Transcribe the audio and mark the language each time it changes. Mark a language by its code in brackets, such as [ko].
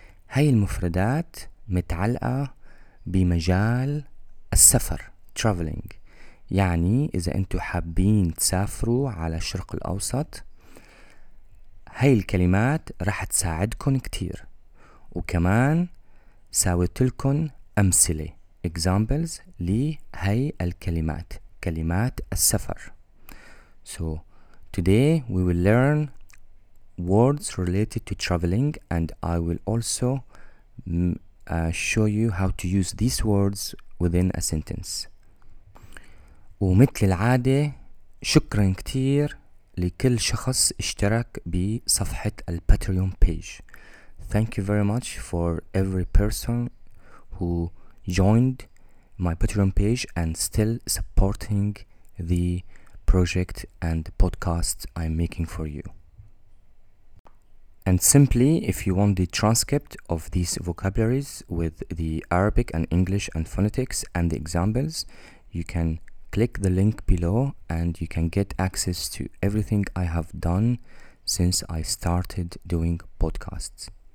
[ar] هاي المفردات متعلقة بمجال السفر traveling، يعني إذا أنتوا حابين تسافروا على الشرق الأوسط هاي الكلمات رح تساعدكن كتير، وكمان ساويتلكن أمثلة examples لهاي الكلمات، كلمات السفر. [en] So today we will learn words related to traveling, and I will also show you how to use these words within a sentence. [ar] ومثل العادة شكرا كتير لكل شخص اشترك بصفحة الباتريون بيج. [en] Thank you very much for every person who joined my Patreon page and still supporting the project and the podcast I'm making for you. And simply, if you want the transcript of these vocabularies with the Arabic and English and phonetics and the examples, you can click the link below and you can get access to everything I have done since I started doing podcasts.